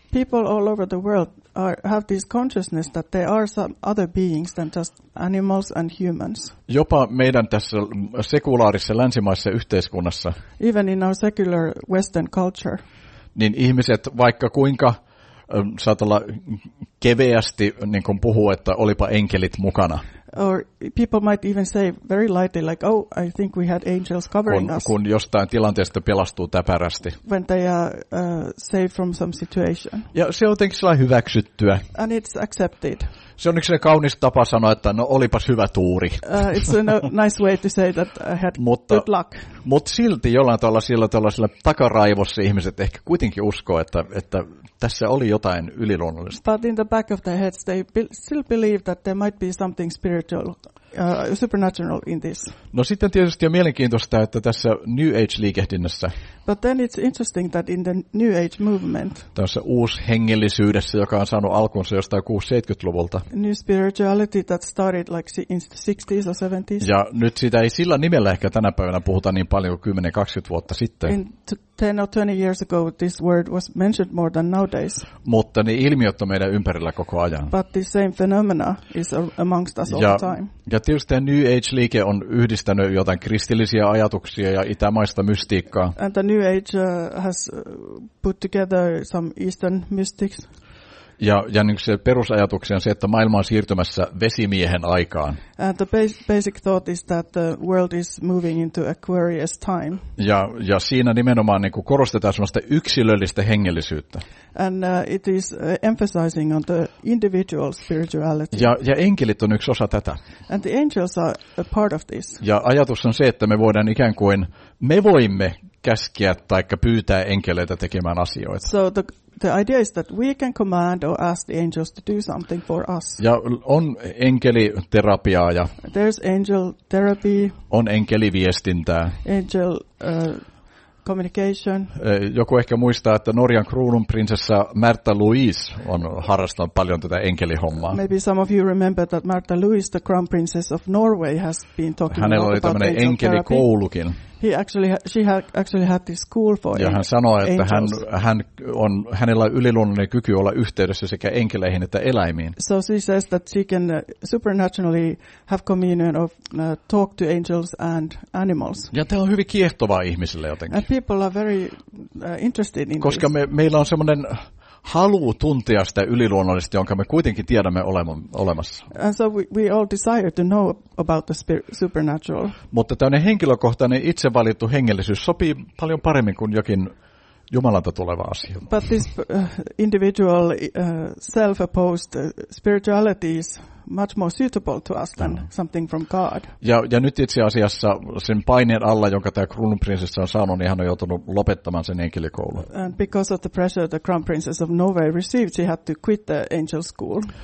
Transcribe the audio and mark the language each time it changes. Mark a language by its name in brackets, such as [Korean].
[English] People all over the world have this consciousness that there are some other beings than just animals and humans. [Finnish] Jopa meidän tässä sekulaarissa länsimaisessa yhteiskunnassa. [English] Even in our secular Western culture. [Finnish] Niin ihmiset vaikka kuinka saatella keveästi niin kuin puhuu, että olipa enkelit mukana. [English] Or people might even say very lightly, like, oh, I think we had angels covering [Finnish] kun [English] us. [Finnish] Kun jostain tilanteesta pelastuu täpärästi. [English] When they are saved from some situation. [Finnish] Ja se on jotenkin sellainen hyväksyttyä. [English] And it's accepted. [Finnish] Se on yksi kaunis tapa sanoa, että no olipas hyvä tuuri. [English] It's a nice way to say that I had good luck. [Finnish] Mutta silti jollain tällaisella takaraivossa ihmiset ehkä kuitenkin uskoo, että tässä oli jotain yliluonnollista. [English] But in the back of their heads they still believe that there might be something spiritual, supernatural in this. [Finnish] No sitten tietysti on mielenkiintoista, että tässä New Age-liikehdinnässä. [English] But then it's interesting that in the New Age movement. [Finnish] Tässä uusi hengellisyydessä, joka on saanut alkunsa jostain 60-70-luvulta. [English] New spirituality that started like in the 60s or 70s. [Finnish] Ja nyt sitä ei sillä nimellä ehkä tänä päivänä puhuta niin paljon kuin 10-20 vuotta sitten. [English] 10 or 20 years ago this word was mentioned more than nowadays. [Finnish] Mutta ne ilmiöt on meidän ympärillä koko ajan. [English] But the same phenomena is amongst us [Finnish] ja, [English] all the time. [Finnish] Ja tietysti tämä New Age-liike on yhdistänyt jotain kristillisiä ajatuksia ja itämaista mystiikkaa. [English] And the New Age has put together some Eastern mystics. [Finnish] Ja se perusajatus on se, että maailma on siirtymässä vesimiehen aikaan. [English] And the basic thought is that the world is moving into Aquarius time. [Finnish] Ja siinä nimenomaan niin kuin korostetaan semmoista yksilöllistä hengellisyyttä. [English] And it is emphasizing on the individual spirituality. [Finnish] Ja enkelit on yksi osa tätä. [English] And the angels are a part of this. [Finnish] Ja ajatus on se, että me voidaan ikään kuin me voimme käskeä tai pyytää enkeleitä tekemään asioita. [English] So the idea is that we can command or ask the angels to do something for us. [Finnish] Ja on enkeliterapiaa ja [English] there's angel therapy. [Finnish] On enkeliviestintää. [English] Angel communication. [Finnish] Joku ehkä muistaa, että Norjan kruununprinsessa Märtha Louise on harrastanut paljon tätä enkelihommaa. [English] Maybe some of you remember that Märtha Louise, the crown princess of Norway, has been talking about angel therapy. [Finnish] Hänellä oli tämmöinen enkelikoulukin. [English] She actually had this school for [Finnish] ja hän sanoi, että hänellä on yliluonnollinen kyky olla yhteydessä sekä enkeleihin että eläimiin. [English] So she says that she can supernaturally have communion of talk to angels and animals. [Finnish] Ja tämä on hyvin kiehtovaa ihmisille jotenkin. [English] And people are very interested in [Finnish] koska [English] this. [Finnish] Meillä on semmoinen halu tuntea sitä yliluonnollista, jonka me kuitenkin tiedämme olemassa. [English] And so we all desire to know about the supernatural. [Finnish] Mutta tämmöinen henkilökohtainen itse valittu hengellisyys sopii paljon paremmin kuin jokin Jumalalta tuleva asia. [English] But this individual self-opposed spirituality is much more suitable to us than something from God. [Finnish] Ja nyt itse asiassa sen paineen alla, jonka tämä kruununprinsessa on saanut, niin hän on joutunut lopettamaan sen enkelikoulun. [English] And because of the pressure the crown princess of Norway received, she had to quit the angel school.